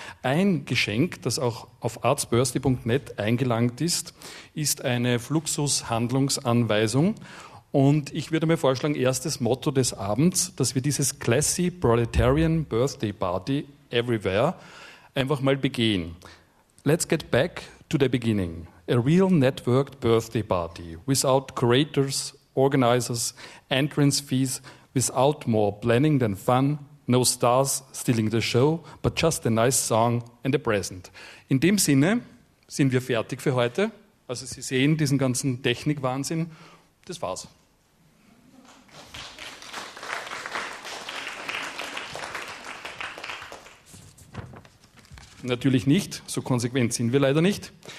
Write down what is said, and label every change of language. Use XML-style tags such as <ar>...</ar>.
<de>Ein Geschenk, das auch auf artsbirthday.net eingelangt ist, ist eine Fluxus-Handlungsanweisung. Und ich würde mir vorschlagen, erstes Motto des Abends, dass wir dieses Classy Proletarian Birthday Party Everywhere einfach mal begehen.</de> <en>Let's get back to the beginning. A real networked birthday party without curators, organizers, entrance fees, without more planning than fun, no stars stealing the show, but just a nice song and a present.</en> <de>In dem Sinne sind wir fertig für heute. Also Sie sehen diesen ganzen Technikwahnsinn. Das war's. Natürlich nicht, so konsequent sind wir leider nicht.</de>